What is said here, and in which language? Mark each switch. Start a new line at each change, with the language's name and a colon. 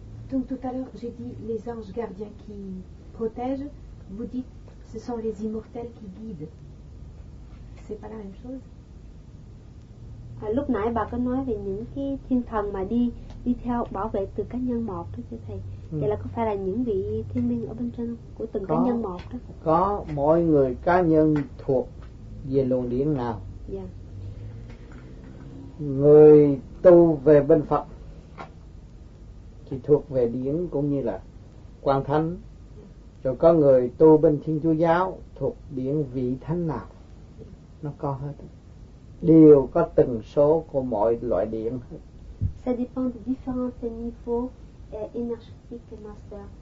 French: Donc tout à l'heure j'ai dit les anges gardiens qui protègent, vous dites ce sont les immortels qui guident. C'est pas la même chose.
Vietnamese: Lúc nãy bà có nói về những cái thiên thần mà đi theo bảo vệ từ cá nhân một đó, thưa thầy. Vậy là có phải là những vị thiên linh ở bên trên của từng cá nhân một đó? Có, mỗi người cá nhân thuộc về luồng điển nào. Người tu về bên Phật thì thuộc về điển cũng như là quang thánh. Rồi có người tu bên Thiên Chúa Giáo thuộc điển vị thánh nào. Nó có hết. đều có tần số của mọi loại điện.
French: Ça dépend de différents niveaux énergétiques, master.